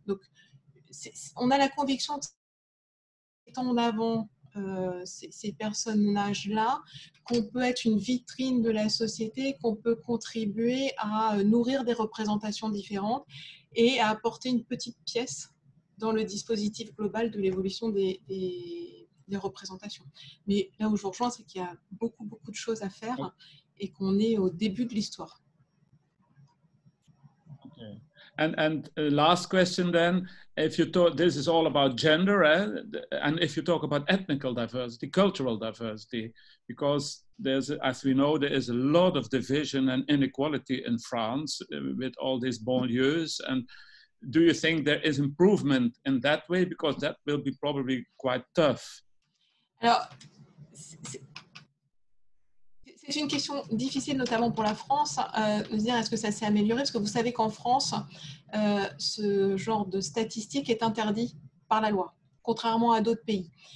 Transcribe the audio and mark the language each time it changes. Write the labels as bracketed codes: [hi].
[fr] Donc, on a la conviction que c'est en avant ces personnages-là, qu'on peut être une vitrine de la société, qu'on peut contribuer à nourrir des représentations différentes et à apporter une petite pièce dans le dispositif global de l'évolution des représentations. Mais là où je vous rejoins, c'est qu'il y a beaucoup, beaucoup de choses à faire et qu'on est au début de l'histoire. [en] Okay. And last question then, if you talk, this is all about gender, and if you talk about ethnical diversity, cultural diversity, because there's, as we know, there is a lot of division and inequality in France with all these banlieues, and do you think there is improvement in that way? Because that will be probably quite tough. [fr] Alors, c'est une question difficile, notamment pour la France, de se dire est-ce que ça s'est amélioré, parce que vous savez qu'en France, ce genre de statistiques est interdit par la loi, contrairement à d'autres pays.